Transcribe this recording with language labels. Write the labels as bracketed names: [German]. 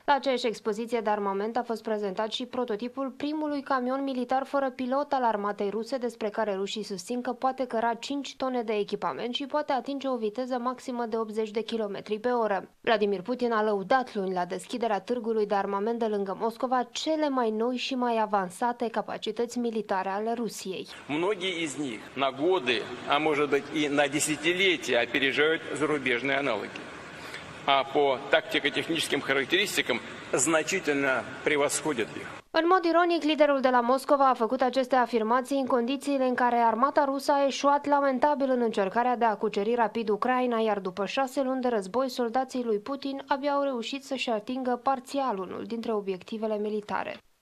[Romanian] La aceeași expoziție de armament a fost prezentat și prototipul primului camion militar fără pilot al armatei ruse, despre care rușii susțin că poate căra 5 tone de echipament și poate atinge o viteză maximă de 80 de km pe oră. Vladimir Putin a lăudat luni la deschiderea târgului de armament de lângă Moscova cele mai noi și mai avansate capacități militare ale Rusiei. [Russian] Многие из них на годы, а может быть и на десятилетия опережают зарубежные аналоги. А по тактико-техническим характеристикам значительно превосходят их. [Romanian] În mod ironic, liderul de la Moscova a făcut aceste afirmații în condițiile în care armata rusă a eșuat lamentabil în încercarea de a cuceri rapid Ucraina, iar după 6 luni de război, soldații lui Putin abia au reușit să-și atingă parțial unul dintre obiectivele militare.